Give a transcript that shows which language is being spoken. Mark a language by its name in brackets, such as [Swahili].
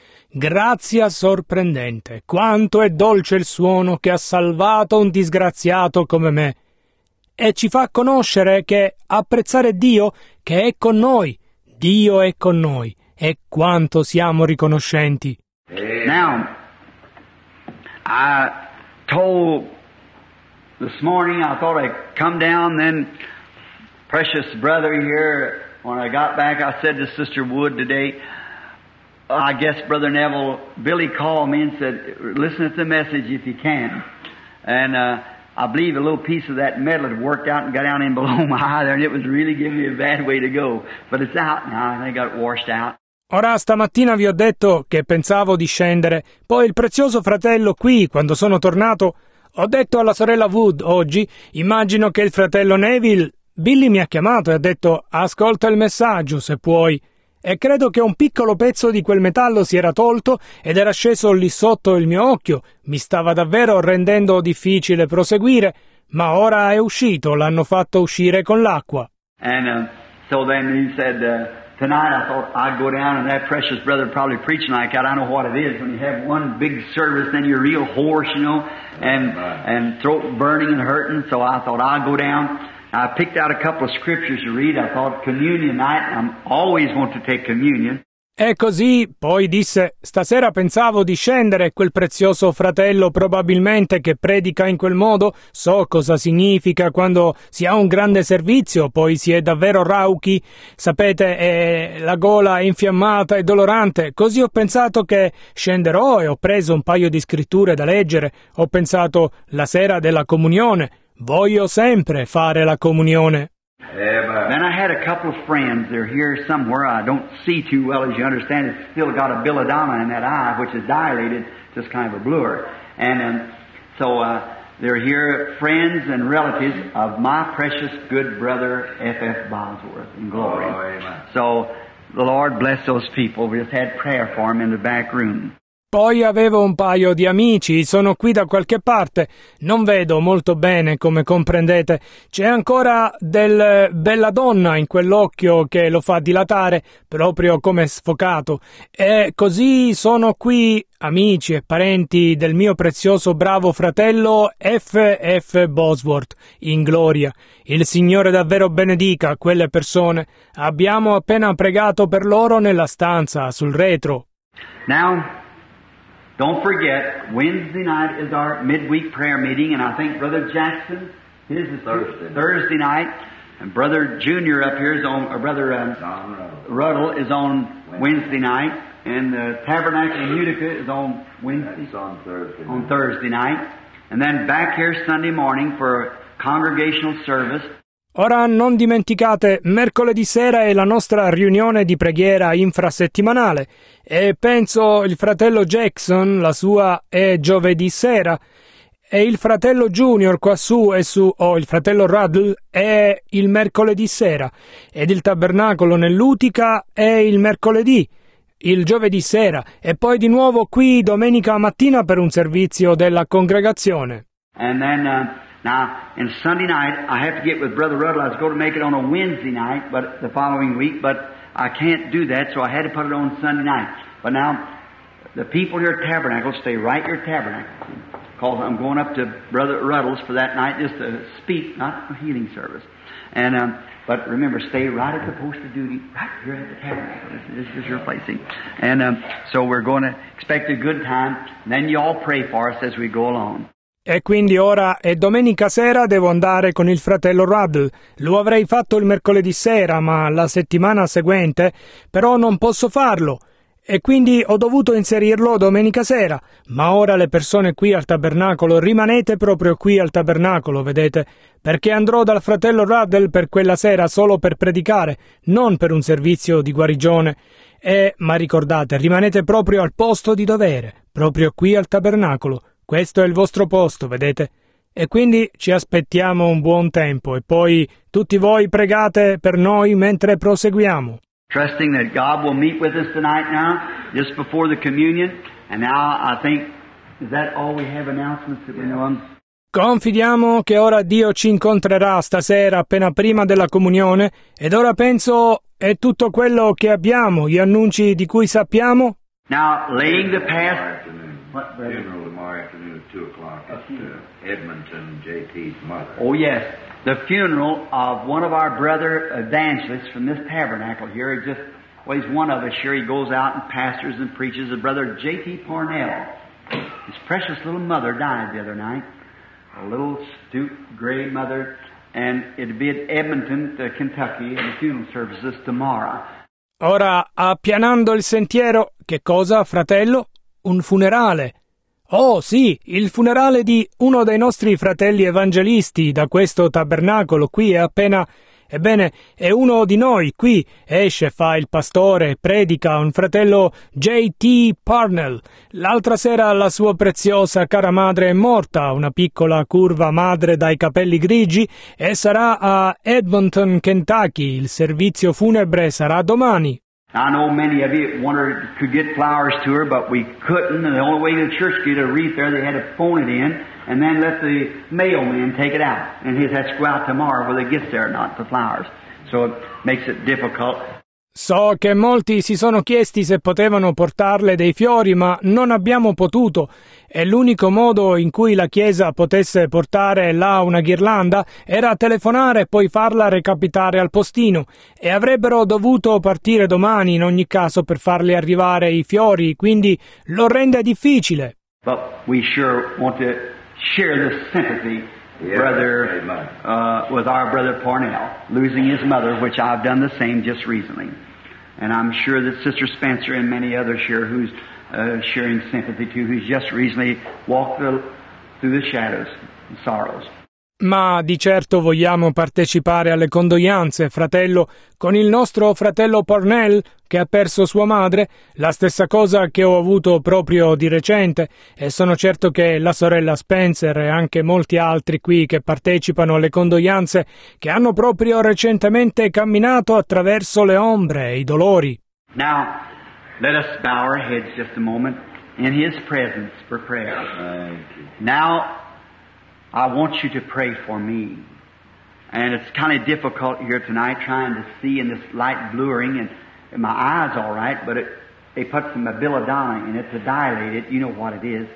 [Italian] Grazia sorprendente, quanto è dolce il suono che ha salvato un disgraziato come me. E ci fa conoscere che apprezzare Dio che è con noi, Dio è con noi, e quanto siamo riconoscenti. [English] Now. I told this morning, I thought I'd come down, then precious brother here, when I got back, I said to Sister Wood today, I guess Brother Neville, Billy called me and said, listen to the message if you can. And I believe a little piece of that metal had worked out and got down in below my eye there, and it was really giving me a bad way to go. But it's out now, and I got washed out. [Italian] Ora stamattina vi ho detto che pensavo di scendere, poi il prezioso fratello qui, quando sono tornato, ho detto alla sorella Wood oggi, immagino che il fratello Neville, Billy mi ha chiamato e ha detto, ascolta il messaggio se puoi, e credo che un piccolo pezzo di quel metallo si era tolto ed era sceso lì sotto il mio occhio, mi stava davvero rendendo difficile proseguire, ma ora è uscito, l'hanno fatto uscire con l'acqua. [English] And so then he said... Tonight I thought I'd go down and that precious brother would probably preach like that. I know what it is when you have one big service, then you're real hoarse, you know, and throat burning and hurting. So I thought I'd go down. I picked out a couple of scriptures to read. I thought communion night. I'm always want to take communion. [Italian] E così poi disse, stasera pensavo di scendere, quel prezioso fratello probabilmente che predica in quel modo, so cosa significa quando si ha un grande servizio, poi si è davvero rauchi, sapete, la gola è infiammata e dolorante, così ho pensato che scenderò e ho preso un paio di scritture da leggere, ho pensato la sera della comunione, voglio sempre fare la comunione. [English] Then I had a couple of friends, they're here somewhere, I don't see too well as you understand, it's still got a belladonna in that eye, which is dilated, just kind of a bluer. And they're here, friends and relatives of my precious good brother F.F. Bosworth in glory. Oh, amen. So the Lord bless those people, we just had prayer for them in the back room. [Italian] Poi avevo un paio di amici, sono qui da qualche parte, non vedo molto bene come comprendete, c'è ancora del bella donna in quell'occhio che lo fa dilatare, proprio come sfocato, e così sono qui amici e parenti del mio prezioso bravo fratello F.F. Bosworth, in gloria, il Signore davvero benedica quelle persone, abbiamo appena pregato per loro nella stanza, sul retro. [English] Now... Don't forget, Wednesday night is our midweek prayer meeting, and I think Brother Jackson, his is Thursday night, and Brother Junior up here is on, or Brother Ruddle is on Wednesday night, and the Tabernacle in Utica is on Wednesday, on Thursday night, and then back here Sunday morning for congregational service. [Italian] Ora non dimenticate, mercoledì sera è la nostra riunione di preghiera infrasettimanale e penso il fratello Jackson, la sua è giovedì sera e il fratello Junior quassù è su, il fratello Ruddle è il mercoledì sera ed il tabernacolo nell'Utica è il mercoledì, il giovedì sera e poi di nuovo qui domenica mattina per un servizio della congregazione. [English] And then, Now, in Sunday night, I have to get with Brother Ruddle. I was going to make it on a Wednesday night, but the following week, but I can't do that, so I had to put it on Sunday night. But now, the people here at Tabernacle, stay right here at Tabernacle. because I'm going up to Brother Ruddle's for that night just to speak, not a healing service. And but remember, stay right at the post of duty, right here at the tabernacle. This is your place. And so we're going to expect a good time, and then you all pray for us as we go along. [Italian] E quindi ora è domenica sera, devo andare con il fratello Ruddle. Lo avrei fatto il mercoledì sera, ma la settimana seguente, però non posso farlo. E quindi ho dovuto inserirlo domenica sera. Ma ora le persone qui al tabernacolo, rimanete proprio qui al tabernacolo, vedete? Perché andrò dal fratello Ruddle per quella sera solo per predicare, non per un servizio di guarigione. Ma ricordate, rimanete proprio al posto di dovere, proprio qui al tabernacolo. Questo è il vostro posto, vedete? E quindi ci aspettiamo un buon tempo e poi tutti voi pregate per noi mentre proseguiamo. [English] Trusting that God will meet with us tonight now, just before the communion. And now I think, is that all we have announcements that we know of? [Italian] Confidiamo che ora Dio ci incontrerà stasera appena prima della comunione. Ed ora penso è tutto quello che abbiamo, gli annunci di cui sappiamo. [English] Now, laying the path... Funeral tomorrow afternoon at 2 o'clock at Edmonton, J.T.'s mother. Oh, yes. The funeral of one of our brother evangelists from this tabernacle here. He's one of us here. He goes out and pastors and preaches. His brother J.T. Parnell. His precious little mother died the other night. A little stoop gray mother. And it'd be at Edmonton, Kentucky, and the funeral services tomorrow. [Italian] Ora, appianando il sentiero, che cosa, fratello? Un funerale. Oh sì, il funerale di uno dei nostri fratelli evangelisti da questo tabernacolo qui è appena... Ebbene, è uno di noi qui, esce, fa il pastore, predica, un fratello J.T. Parnell. L'altra sera la sua preziosa cara madre è morta, una piccola curva madre dai capelli grigi, e sarà a Edmonton, Kentucky. Il servizio funebre sarà domani. [English] I know many of you wondered could get flowers to her, but we couldn't. And the only way the church could get a wreath there, they had to phone it in and then let the mailman take it out. And he'd have to go out tomorrow whether it gets there or not, the flowers. So it makes it difficult. [Italian] So che molti si sono chiesti se potevano portarle dei fiori, ma non abbiamo potuto. E l'unico modo in cui la Chiesa potesse portare là una ghirlanda era telefonare e poi farla recapitare al postino. E avrebbero dovuto partire domani in ogni caso per farle arrivare i fiori, quindi lo rende difficile. [English] But we sure want to share the sympathy. Yes. Brother, with our brother Parnell, losing his mother, which I've done the same just recently. And I'm sure that Sister Spencer and many others here who's sharing sympathy to, who's just recently walked through the shadows and sorrows. [Italian] Ma di certo vogliamo partecipare alle condoglianze, fratello, con il nostro fratello Parnell, che ha perso sua madre, la stessa cosa che ho avuto proprio di recente, e sono certo che la sorella Spencer e anche molti altri qui che partecipano alle condoglianze, che hanno proprio recentemente camminato attraverso le ombre e i dolori. [English] Now, let us bow our heads just a moment in his presence for prayer. Now, I want you to pray for me. And it's kind of difficult here tonight trying to see in this light blurring, and my eyes all right, but they put some belladonna in it to dilate it. You know what it is.